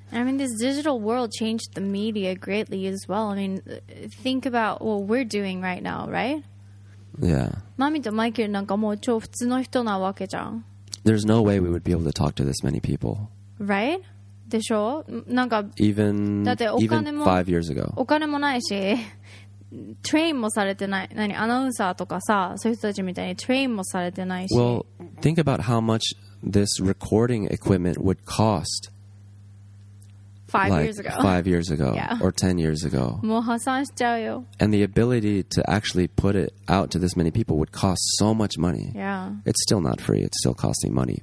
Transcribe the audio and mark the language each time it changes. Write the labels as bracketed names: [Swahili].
[English] I mean, this digital world changed the media greatly as well. I mean, think about what we're doing right now, right? Yeah. [Japanese] Mami to Michael なんかもう超普通の人なわけじゃん。 [English] There's no way we would be able to talk to this many people. Right? [Japanese] でしょ?なんか、 [English] even, [Japanese] だってお金も、 [English] even 5 years ago. [Japanese] お金もないし、トレインもされてない。何? アナウンサーとかさ、そういう人たちみたいにトレインもされてないし。 [English] Well, think about how much this recording equipment would cost. Five years ago. Yeah. Or 10 years ago. [Japanese] もう破産しちゃうよ。 [English] And the ability to actually put it out to this many people would cost so much money. Yeah. It's still not free. It's still costing money.